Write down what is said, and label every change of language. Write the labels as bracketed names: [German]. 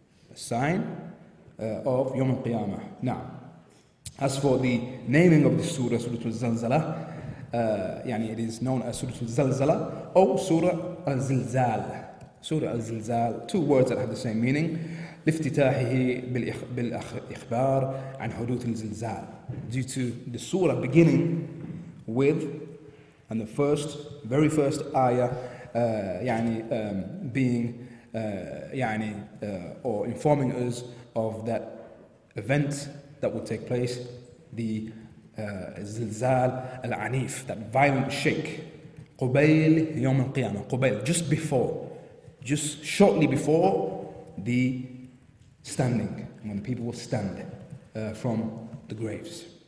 [English] The sign of Yawm al Qiyamah. Naam. As for the naming of the surah, Surah Al Zalzalah, yani it is known as Surah Al Zalzalah or Surah Al Zilzal. Surah Al Zilzal, two words that have the same meaning. [Arabic] لافتتاحه بالإخبار عن حدوث الزلزال. [English] Due to the surah beginning with, and the first, very first ayah, or informing us of that event that will take place, the zilzal al-anif, that violent shake, [Arabic] قبيل يوم القيامة, قبيل, [English] just shortly before the standing, when people will stand from the graves.